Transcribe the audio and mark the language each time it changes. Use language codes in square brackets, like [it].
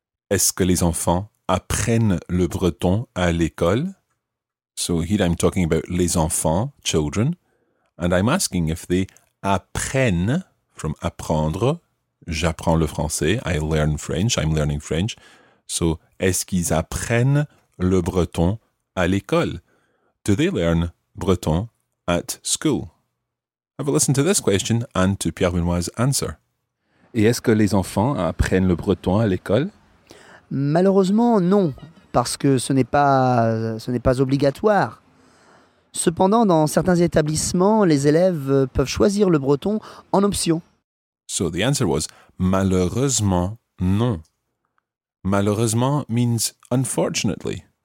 [fr] Est-ce que les enfants apprennent le breton à l'école? [en] So here I'm talking about les enfants, children, and I'm asking if they apprennent, from apprendre, [fr] j'apprends le français, [en] I learn French, I'm learning French. [fr] So est-ce qu'ils apprennent le breton à l'école? [en] Do they learn breton at school? Have a listen to this question and to Pierre Benoît's answer. [fr] Et est-ce que les enfants apprennent le breton à l'école? Malheureusement, non, parce que ce n'est pas obligatoire. Cependant, dans certains établissements, les élèves peuvent choisir le breton en option. [en] So the answer was, [fr] malheureusement, non. [en] Malheureusement means unfortunately.